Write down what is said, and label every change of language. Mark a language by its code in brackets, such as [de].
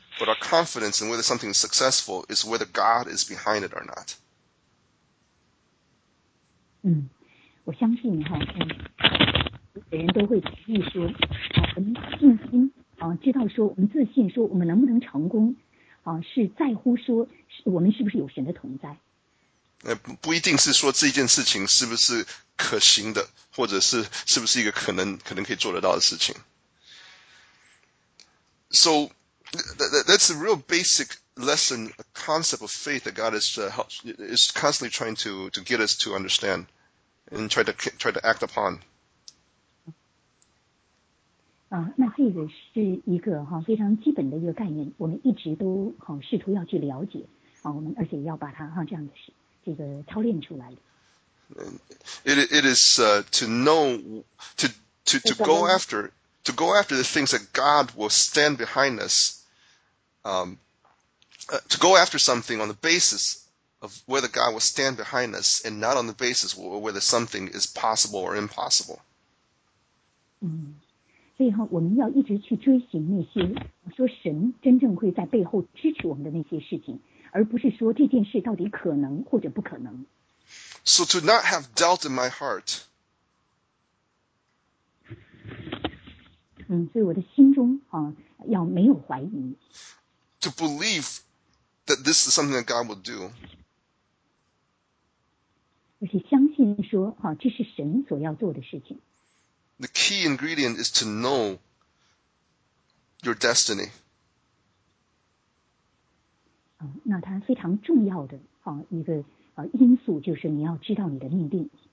[en] But our confidence in whether something is successful is whether God is behind it or not. [zh] 我相信哈，每人都会同意说，我们信心知道说我们自信说我们能不能成功，是在乎说我们是不是有神的同在。不一定是说这件事情是不是可行的，或者是不是一个可能可以做得到的事情。 [en] So. That's a real basic lesson, a concept of faith that God is constantly trying to get us to understand and try to act upon. [zh] 那这个是一个非常基本的一个概念，我们一直都试图要去了解，我们而且要把它这样的这个操练出来。 [en] It is to know to go after the things that God will stand behind us. To go after something on the basis of whether God will stand behind us and not on the basis of whether something is possible or impossible. [zh] 所以我们要一直去追寻那些说神真正会在背后支持我们的那些事情，而不是说这件事到底可能或者不可能。 [en] So to not have doubt in my heart. [zh] 所以我的心中要没有怀疑。 [en] To believe that this is something that God will do. [zh] 而且相信说，这是神所要做的事情。 [en] The key ingredient is to know your destiny. [zh] 那它非常重要的一个因素就是你要知道你的命定。